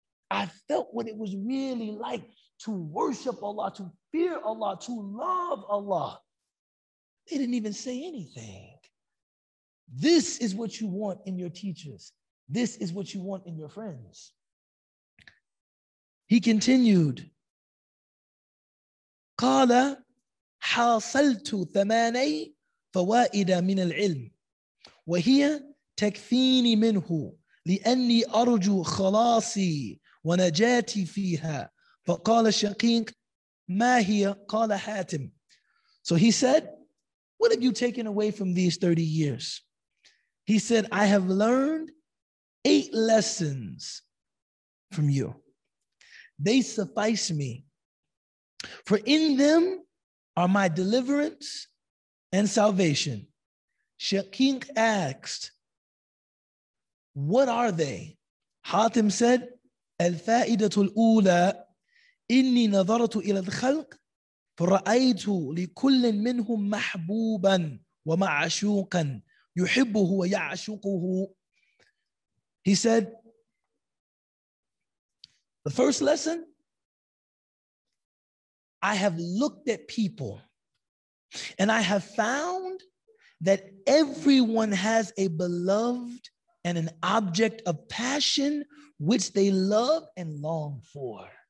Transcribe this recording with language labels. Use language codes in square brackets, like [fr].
[en] I felt what it was really like to worship Allah, to fear Allah, to love Allah. They didn't even say anything. This is what you want in your teachers. This is what you want in your friends. He continued, [ar] قَالَ حَاصَلْتُ ثَمَانَي فَوَائِدَ مِنَ الْعِلْمِ وَهِيَ تَكْفِينِ مِنْهُ لِأَنِّي أَرْجُ خَلَاصِي وَنَجَاتِي فِيهَا فَقَالَ الشَّقِيقُ مَا هِيَ قَالَ حَاتِمُ. [en] So he said, what have you taken away from these 30 years? He said, I have learned 8 lessons from you. They suffice me. For in them are my deliverance and salvation. Shaqiq asked, what are they? Hatim said, [ar] الفائدة الأولى إني نظرت إلى الخلق فرأيت لكل منهم محبوبا ومعشوقا يحبه ويعشقه. [en] He said, the first lesson, I have looked at people and I have found that everyone has a beloved and an object of passion which they love and long for.